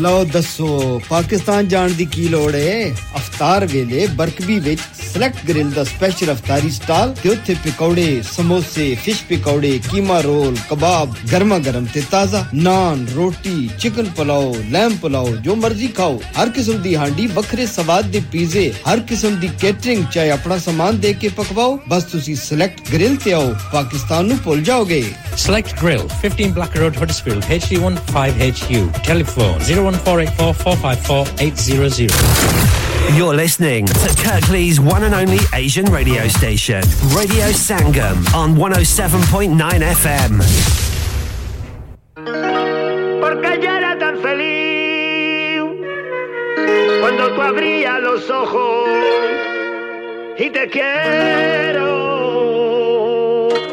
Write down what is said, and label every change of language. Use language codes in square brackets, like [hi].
[pa] ਲਓ ਦੱਸੋ ਪਾਕਿਸਤਾਨ ਜਾਣ ਦੀ ਕੀ ਲੋੜ ਹੈ ਅਫਤਾਰ ਵੇਲੇ ਬਰਕਵੀ ਵਿੱਚ ਸਲੈਕਟ ਗ੍ਰਿਲ ਦਾ ਸਪੈਸ਼ਲ ਅਫਤਾਰੀ ਸਟਾਲ ਤੇ ਉੱਥੇ ਪਕੌੜੇ ਸਮੋਸੇ ਫਿਸ਼ ਪਕੌੜੇ ਕੀਮਾ ਰੋਲ ਕਬਾਬ ਗਰਮਾ ਗਰਮ ਤੇ ਤਾਜ਼ਾ ਨਾਨ ਰੋਟੀ ਚਿਕਨ ਪਲਾਓ ਲੈਂਬ ਪਲਾਓ ਜੋ ਮਰਜ਼ੀ ਖਾਓ ਹਰ ਕਿਸਮ ਦੀ ਹਾਂਡੀ ਵੱਖਰੇ ਸਵਾਦ ਦੇ ਪੀਜ਼ੇ ਹਰ ਕਿਸਮ ਦੀ ਕੈਟਰਿੰਗ ਚਾਹੇ ਆਪਣਾ ਸਮਾਨ ਦੇ ਕੇ ਪਕਵਾਓ ਬਸ ਤੁਸੀਂ ਸਲੈਕਟ ਗ੍ਰਿਲ ਤੇ ਆਓ ਪਾਕਿਸਤਾਨ ਨੂੰ ਭੁੱਲ ਜਾਓਗੇ select grill 15 black road Huddersfield HD15HU telephone 01484454800 [en] You're listening to Kirkley's one and only Asian radio station, Radio Sangam, on 107.9 FM. [es] Porque ya era tan feliz cuando tú abrías los ojos y te quiero.